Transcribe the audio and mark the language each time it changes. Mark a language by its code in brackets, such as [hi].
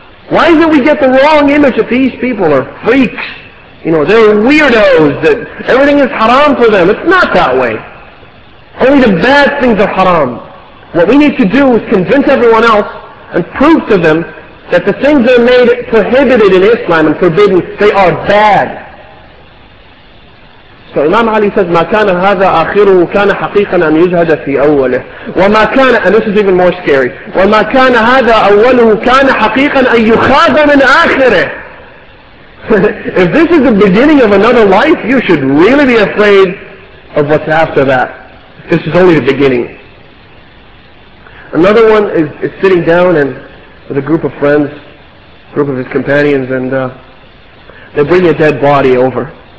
[en] Why do we get the wrong image that these people are freaks? You know, they're weirdos, that everything is haram for them. It's not that way. Only the bad things are haram. What we need to do is convince everyone else and prove to them that the things that are made prohibited in Islam and forbidden, they are bad. So Imam Ali says, [ar] مَا كَانَ هَذَا آخِرُهُ كَانَ حَقِيقًا أَنْ يُزْهَدَ فِي أَوَّلِهِ وَمَا كَانَ, [en] and this is even more scary, [ar] وَمَا كَانَ هَذَا أَوَّلُهُ كَانَ حَقِيقًا أَنْ يُخَاذَ مِنْ آخِرِهِ. [en] If this is the beginning of another life, you should really be afraid of what's after that. This is only the beginning. Another one is sitting down and with a group of friends, group of his companions, and they bring a dead body over.